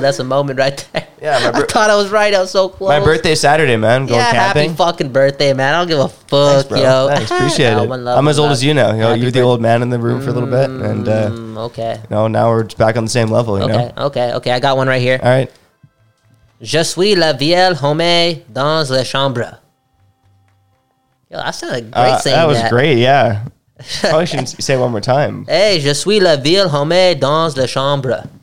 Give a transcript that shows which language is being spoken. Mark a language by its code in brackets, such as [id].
[en] That's a moment right there. Yeah, I thought I was right. I was so close. My birthday is Saturday, man. Going yeah, camping. Happy fucking birthday, man. I don't give a fuck, thanks, bro. Yo. Thanks, appreciate it. I'm as old as you now. You're the old man in the room for a little bit. And okay. No, now we're back on the same level, you know? Okay. I got one right here. All right. [fr] Je suis la vieille homme dans la chambre. [en] Yo, that sounded great saying that. That was great, yeah. Probably shouldn't say it one more time. Hey, [fr] je suis la vieille homme dans la chambre.